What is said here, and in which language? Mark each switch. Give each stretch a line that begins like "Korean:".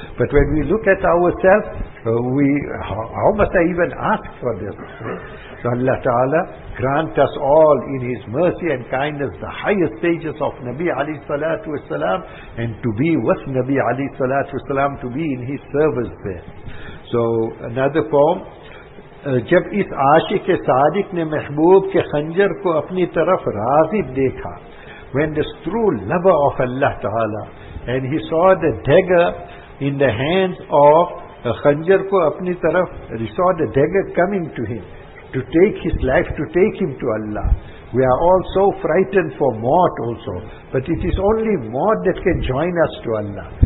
English: But when we look at ourselves, how must I even ask for this? So Allah Ta'ala grant us all in His mercy and kindness the highest stages of Nabi Ali Salatu Wasalam, and to be with Nabi Ali Salatu Wasalam, to be in His service there. So another poem,
Urdu: جب اس عاشق صادق نے محبوب کے خنجر کو اپنی طرف راغب دیکھا.
English: When the true lover of Allah Ta'ala, and he saw the dagger in the hands of
Urdu: خنجر کو اپنی طرف,
English: he saw the dagger coming to him to take his life, to take him to Allah. We are all so frightened for maut also. But it is only maut that can join us to Allah.